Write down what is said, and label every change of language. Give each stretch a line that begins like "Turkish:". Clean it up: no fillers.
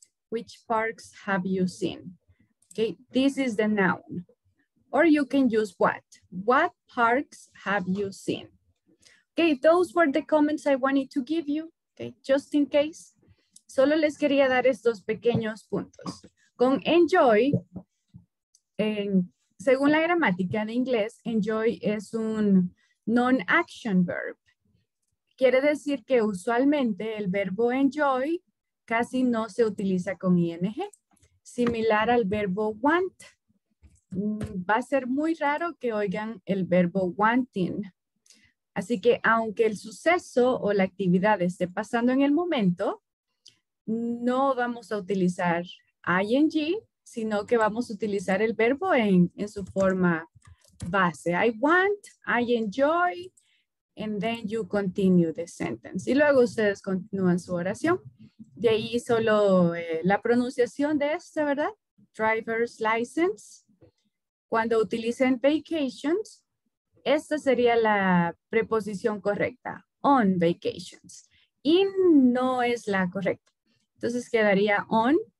English: Which parks have you seen? Okay, this is the noun. Or you can use what. What parks have you seen? Okay, those were the comments I wanted to give you, okay, just in case.
Spanish: Solo les quería dar estos pequeños puntos. Con enjoy, según la gramática de inglés, enjoy es un non-action verb. Quiere decir que usualmente el verbo enjoy casi no se utiliza con ing. Similar al verbo want. Va a ser muy raro que oigan el verbo wanting. Así que aunque el suceso o la actividad esté pasando en el momento, no vamos a utilizar ing, sino que vamos a utilizar el verbo en su forma base.
English: I want, I enjoy, and then you continue the sentence.
Spanish: Y luego ustedes continúan su oración. De ahí solo la pronunciación de esta, ¿verdad? Driver's license. Cuando utilicen vacations, esta sería la preposición correcta, on vacations. In no es la correcta. Entonces quedaría on.